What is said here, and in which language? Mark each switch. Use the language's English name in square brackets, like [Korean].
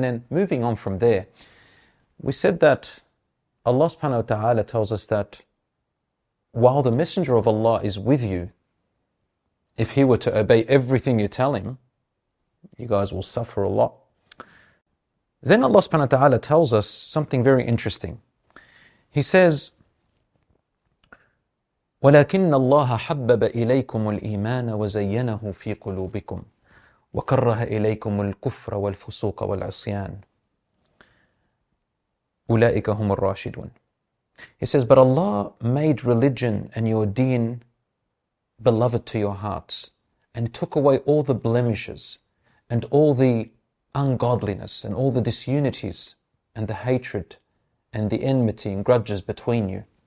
[English] And then moving on from there, we said that Allah subhanahu wa ta'ala tells us that while the Messenger of Allah is with you, if he were to obey everything you tell him, you guys will suffer a lot. Then Allah subhanahu wa ta'ala tells us something very interesting. He says, [Arabic] ولكن الله حبب إليكم الإيمان وزينه في قلوبكم وكره إليكم الكفر والفسوق والعصيان أولئك هم الراشدون. [English] He says, but Allah made religion and your deen beloved to your hearts and took away all the blemishes and all the ungodliness and all the disunities and the hatred and the enmity and grudges between you.